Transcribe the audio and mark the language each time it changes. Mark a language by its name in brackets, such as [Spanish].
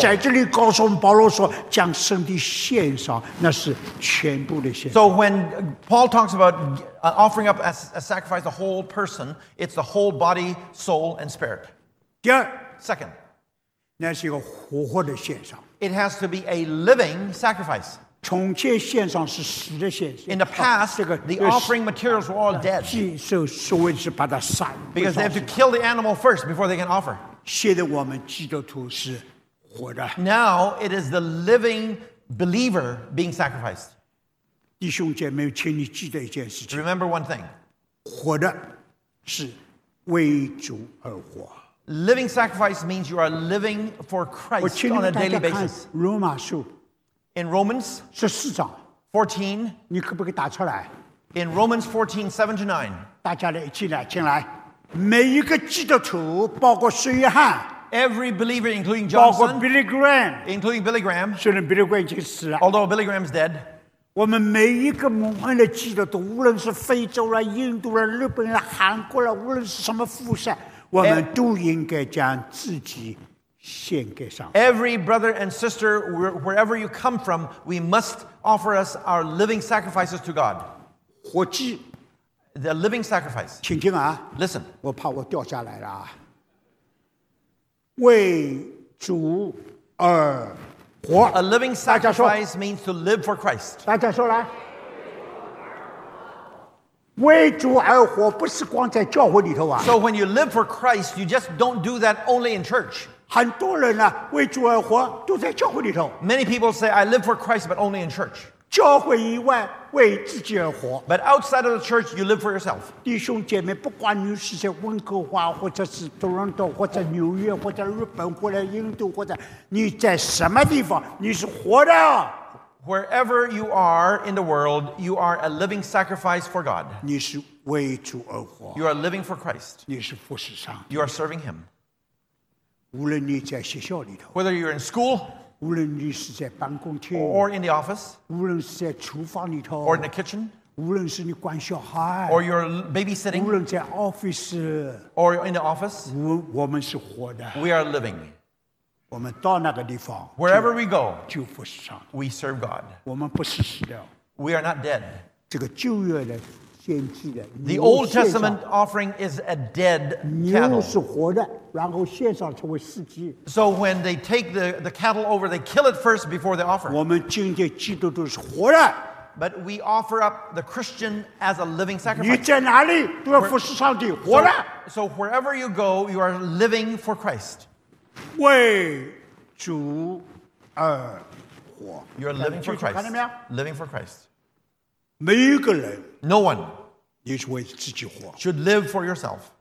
[Chinese] 在这里告诉我们，保罗说将身体献上，那是全部的献上。 [English] So when Paul talks aboutoffering up as a sacrifice the whole person, it's the whole body, soul, and spirit. [Chinese] 第二 [English] Second, [Chinese] 那是一个活活的献上。 [English] It has to be a living sacrifice. [Chinese] 从前献上是死的献上。 [English] In the past,the offering materials were all dead. [Chinese] 所谓是把它杀。 [English] Because they have to kill the animal first before they can offer. [Chinese] 现在我们基督徒是活的。 [English] Now, it is the living believer being sacrificed. [Chinese] 弟兄姐妹，请你记得一件事情。 [English] Remember one thing. [Chinese] 活的是为主而活。 [English] Living sacrifice means you are living for Christ on a daily basis. [Chinese] 罗马书。 [English] In Romans [Chinese] 14章。 14。你可不可以打出来 [English] ？In Romans 14:7-9. [Chinese] 大家来一起来进来。每一个基督徒，包括施约翰。 [English] Every believer, including Johnson. [Chinese] 包括 Billy Graham. [English] Including Billy Graham. [Chinese] 虽然 Billy Graham 已经死了。 [English] Although Billy Graham is dead. [Chinese] 我们每一个蒙恩的基督徒，无论是非洲啦、印度啦、日本啦、韩国啦，无论是什么肤色，我们都应该将自己献给上帝。 [English] Every brother and sister, wherever you come from, we must offer us our living sacrifices to God. [Chinese] 活祭 [English] the living sacrifice. [Chinese] 请听啊 [English] ，listen. [Chinese] 我怕我掉下来了啊。为主而。 [English] A living sacrifice means to live for Christ. [Chinese] 大家说来，为主而活不是光在教会里头啊。 [English] So when you live for Christ, you just don't do that only in church. [Chinese] 很多人呢、啊，为主而活都在教会里头。 [English] Many people say I live for Christ, but only in church. [Chinese] 教会以外为自己而活。 [English] But outside of the church, you live for yourself. [Chinese] 弟兄姐妹，不管你是在温哥华，或者是多伦多，或者纽约，或者日本，或者印度，或者你在什么地方，你是活的。 [English] Wherever you are in the world, you are a living sacrifice for God. [Chinese] 你是为主而活。 [English] You are living for Christ. [Chinese] 你是服侍上帝。 [English] You are serving Him. [Chinese] 无论你在学校里头。 [English] Whether you're in school. [Chinese] 无论你是在办公厅 [English] or in the office, [Chinese] 无论是在厨房里头 [English] or in the kitchen, [Chinese] 无论是你管小孩 [English] or you're babysitting, [Chinese] 无论在 office, [English] or in the office, [Chinese] 我们是活的 [English] we are living, [Chinese] 我们到那个地方 [English] wherever we go, [Chinese] 就服侍上帝 [English] we serve God, [Chinese] 我们不是死的 [English] we are not dead, [Chinese] 这个旧约的献祭的 [English] the Old Testament offering is a dead cattle, [Chinese] 牛是活的然后献上成为祭祭。 [English] So when they take the cattle over, they kill it first before they offer. [Chinese] 我们今天基督徒是活的。 [English] But we offer up the Christian as a living sacrifice. [Chinese] 你在哪里都要服侍上帝，活的。 [English] So wherever you go, you are living for Christ. [Chinese] 为主而活。 [English] You're living for Christ. Living for Christ. [Chinese] 每一个人 [English] ，No one， [Chinese] 你是为自己活。 [English] Should live for yourself.